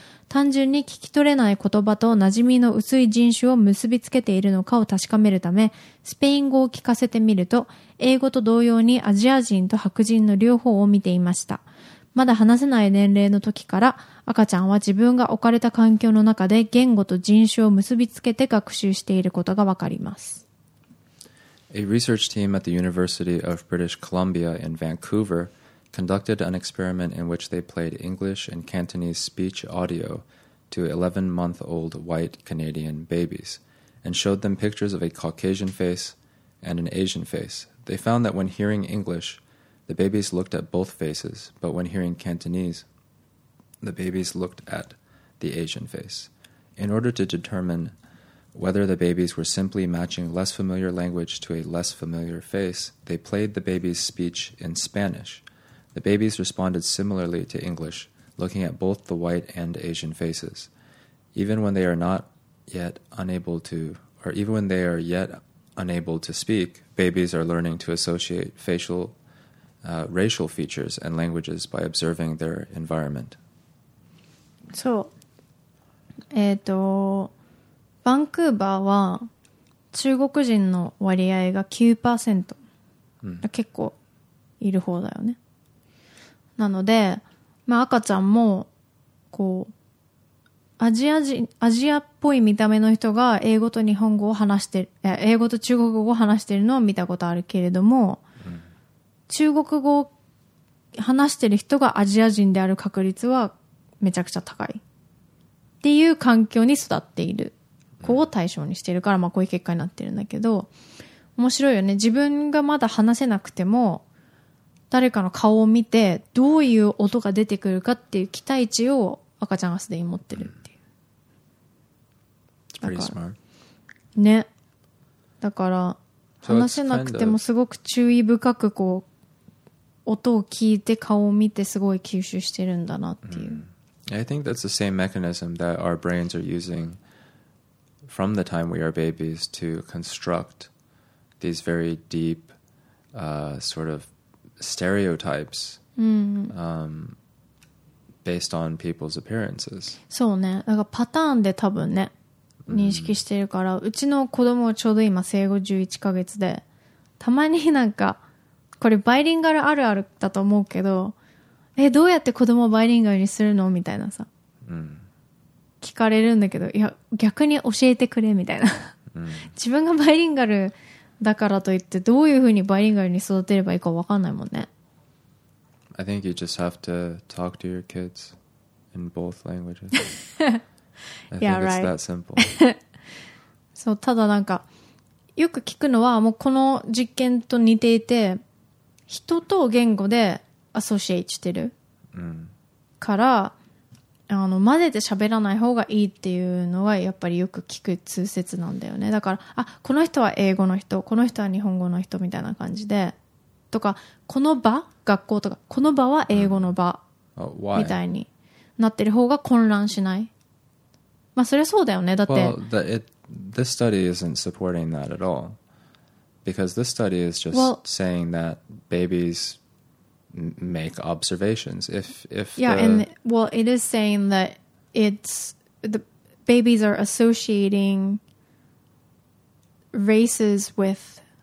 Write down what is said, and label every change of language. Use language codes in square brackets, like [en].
[ja] 単純に聞き取れない言葉と馴染みの薄い人種を結びつけているのかを確かめるため、スペイン語を聞かせてみると、英語と同様にアジア人と白人の両方を見ていました。まだ話せない年齢の時から、赤ちゃんは自分が置かれた環境の中で言語と人種を結びつけて学習していることがわかります。 [en] A research team at the University of British Columbia in Vancouver conducted an experiment in which they played English and Cantonese speech audio to 11-month-old white Canadian babies and showed them pictures of a Caucasian face and an Asian face. They found that when hearing English, the babies looked at both faces, but when hearing Cantonese, the babies looked at the Asian face. In order to determine whether the babies were simply matching less familiar language to a less familiar face, they played the babies' speech in Spanish. The babies responded similarly to English, looking at both the white and Asian faces. Even when they are not yet unable to, or even when they are yet unable to speak, babies are learning to associate facial, racial features and languages by observing their environment. [ja] So, バンクーバーは中国人の割合が 9%、うん、結構いる方だよね。なので、まあ、赤ちゃんもこうアジアっぽい見た目の人が英語と日本語を話してる、英語と中国語を話してるのを見たことあるけれども、うん、中国語を話してる人がアジア人である確率はめちゃくちゃ高いっていう環境に育っている子を対象にしているから、まあこういう結果になってるんだけど、面白いよね。自分がまだ話せなくても、誰かの顔を見て、どういう音が出てくるかっていう期待値を赤ちゃんがすでに持ってるっていう。 [en] Pretty smart. [ja] ね。だから、話せなくてもすごく注意深くこう、音を聞いて顔を見てすごい吸収してるんだなっていう。 Mm. [en] I think that's the same mechanism that our brains are using. From the time we are babies to construct these very deep sort of stereotypes、 mm-hmm. based on people's appearances. [ja] そうね。なんかパターンで多分ね、認識してるから、mm-hmm. うちの子供はちょうど今生後11ヶ月で、たまになんか、これバイリンガルあるあるだと思うけど、どうやって子供をバイリンガルにするのみたいなさ。 Mm-hmm. 聞かれるんだけど、いや逆に教えてくれみたいな、うん、自分がバイリンガルだからといってどういうふうにバイリンガルに育てればいいか分かんないもんね。 [en] I think you just have to talk to your kids in both languages. I think yeah, it's that simple. [ja] そう、ただなんかよく聞くのはもうこの実験と似ていて、人と言語でアソシエイトしてる、うん、から混ぜて喋らない方がいいっていうのはやっぱりよく聞く通説なんだよね。だからあこの人は英語の人、この人は日本語の人みたいな感じで、とかこの場学校とかこの場は英語の場、うん、みたいになってる方が混乱しない。まあそれはそうだよね。だって [en] well, the, it, this study isn't supporting that at all because this study is just well, saying that babiesmake observations if yeah the, and well it is saying that it's the babies are associating races with